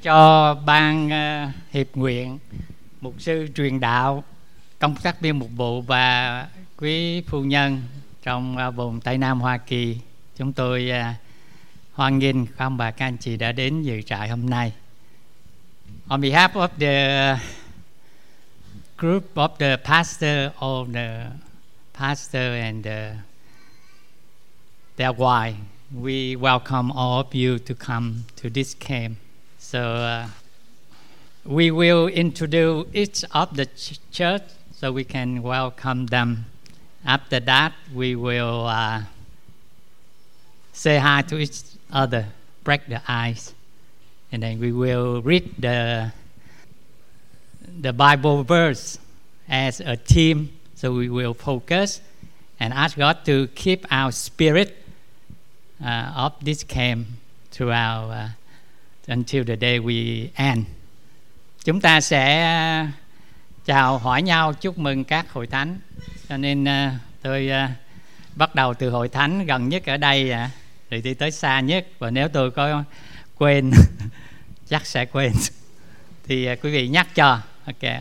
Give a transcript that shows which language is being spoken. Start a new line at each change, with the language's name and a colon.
Vietnamese: cho ban hiệp nguyện, mục sư truyền đạo, công tác viên mục vụ và quý phu nhân trong vùng Tây Nam Hoa Kỳ. Chúng tôi hoan nghênh các ông bà các anh chị đã đến dự trại hôm nay.
English: On behalf of the group of the pastor, of the pastor and their wife, we welcome all of you to come to this camp. So we will introduce each of the church so we can welcome them. After that, we will say hi to each other, break the ice, and then we will read the Bible verse as a team. So we will focus and ask God to keep our spirit of this camp throughout until the day we end.
Vietnamese: Chúng ta sẽ chào hỏi nhau, chúc mừng các hội thánh. Cho nên tôi bắt đầu từ hội thánh gần nhất ở đây rồi đi tới xa nhất. Và nếu tôi có quên, chắc sẽ quên, thì quý vị nhắc cho. Okay.